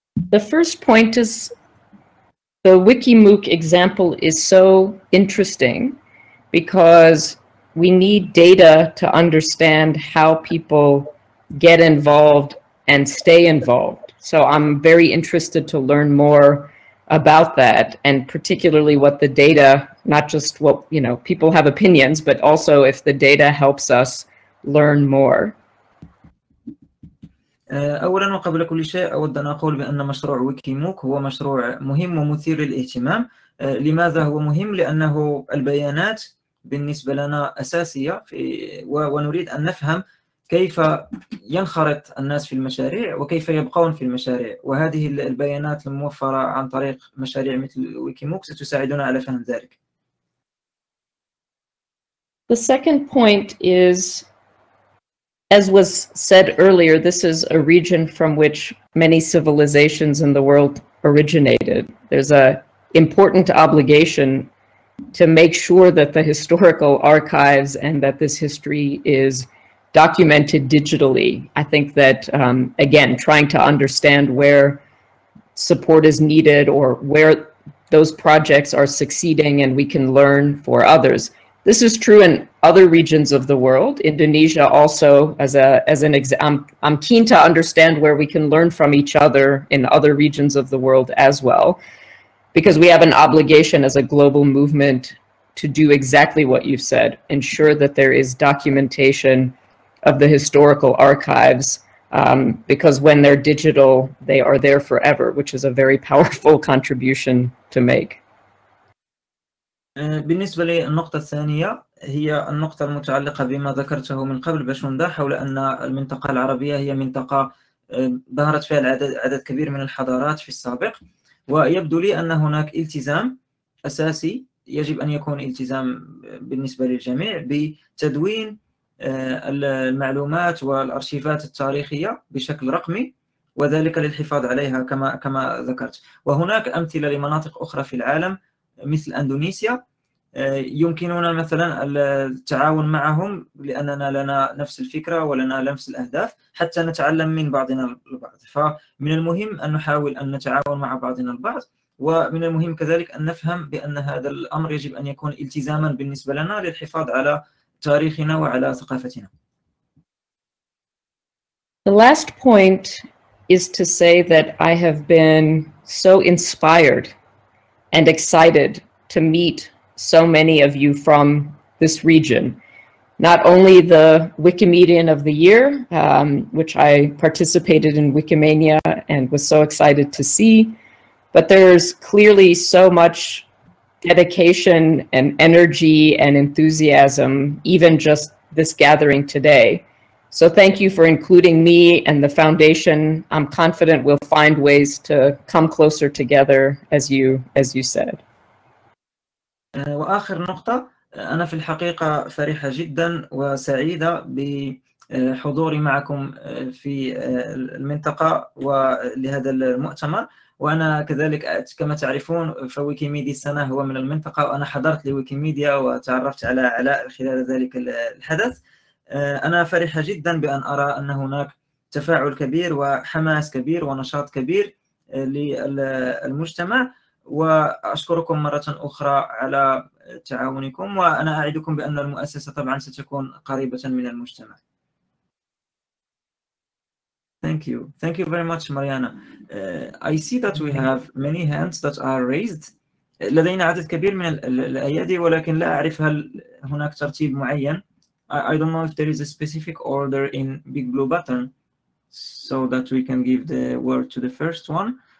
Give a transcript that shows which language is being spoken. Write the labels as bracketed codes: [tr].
[en] The first point is the WikiMOOC example is so interesting because we need data to understand how people get involved and stay involved. So I'm very interested to learn more about that, and particularly what the data, not just what, you know, people have opinions, but also if the data helps us learn more. [ar] اولا وقبل كل شيء اود ان اقول بان مشروع ويكيموك هو مشروع مهم ومثير للاهتمام. لماذا هو مهم؟ لانه البيانات بالنسبه لنا اساسيه في ونريد ان نفهم كيف ينخرط الناس في المشاريع وكيف يبقون في المشاريع، وهذه البيانات الموفره عن طريق مشاريع مثل ويكيموك ستساعدنا على فهم ذلك. [en] The second point is, as was said earlier, this is a region from which many civilizations in the world originated. There's an important obligation to make sure that the historical archives and that this history is documented digitally. I think that, again, trying to understand where support is needed or where those projects are succeeding and we can learn for others, This is true in other regions of the world. Indonesia also, I'm keen to understand where we can learn from each other in other regions of the world as well, because we have an obligation as a global movement to do exactly what you've said, ensure that there is documentation of the historical archives, because when they're digital, they are there forever, which is a very powerful contribution to make. [ar] بالنسبة للنقطة الثانية هي النقطة المتعلقة بما ذكرته من قبل باشمهندس حول أن المنطقة العربية هي منطقة ظهرت فيها عدد كبير من الحضارات في السابق، ويبدو لي أن هناك التزام أساسي يجب أن يكون التزام بالنسبة للجميع بتدوين المعلومات والأرشيفات التاريخية بشكل رقمي، وذلك للحفاظ عليها كما ذكرت. وهناك أمثلة لمناطق أخرى في العالم مثل أندونيسيا، يمكننا مثلا التعاون معهم لأننا لنا نفس الفكرة ولنا نفس الأهداف حتى نتعلم من بعضنا البعض. فمن المهم أن نحاول أن نتعاون مع بعضنا البعض، ومن المهم كذلك أن نفهم بأن هذا الأمر يجب أن يكون التزاما بالنسبة لنا للحفاظ على تاريخنا وعلى ثقافتنا. [en] The last point is to say that I have been so inspired and excited to meet so many of you from this region. Not only the Wikimedian of the Year, which I participated in Wikimania and was so excited to see, but there's clearly so much dedication and energy and enthusiasm, even just this gathering today. So thank you for including me and the foundation. I'm confident we'll find ways to come closer together, as you said. [ar] وآخر نقطة، أنا في الحقيقة فرحة جدا وسعيدة بحضوري معكم في المنطقة ولهذا المؤتمر. وأنا كذلك كما تعرفون فويكيميديا السنة هو من المنطقة، وأنا حضرت لويكيميديا وتعرفت على علاء خلال ذلك الحدث. أنا فرحة جدا بأن أرى أن هناك تفاعل كبير وحماس كبير ونشاط كبير للمجتمع، وأشكركم مرة أخرى على تعاونكم، وأنا أعدكم بأن المؤسسة طبعا ستكون قريبة من المجتمع. [en] Thank you very much, Mariana. I see that we have many hands that are raised. [ar] لدينا عدد كبير من الأيادي، ولكن لا أعرف هل هناك ترتيب معين. [en] I don't know if there is a specific order in big blue button so that we can give the word to the first one.